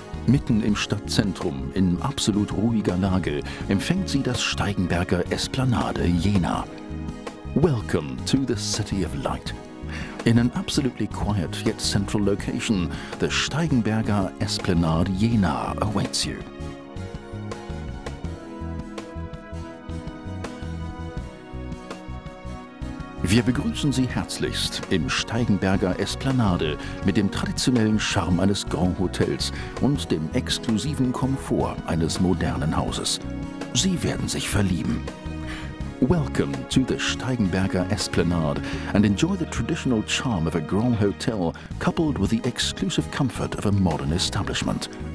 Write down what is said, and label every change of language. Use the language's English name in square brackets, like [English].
[German] Mitten im Stadtzentrum, in absolut ruhiger Lage, empfängt sie das Steigenberger Esplanade Jena. [English] Welcome to the City of Light. In an absolutely quiet yet central location, the Steigenberger Esplanade Jena awaits you. [German] Wir begrüßen Sie herzlichst im Steigenberger Esplanade mit dem traditionellen Charme eines Grand Hotels und dem exklusiven Komfort eines modernen Hauses. Sie werden sich verlieben. [English] Welcome to the Steigenberger Esplanade and enjoy the traditional charm of a Grand Hotel coupled with the exclusive comfort of a modern establishment.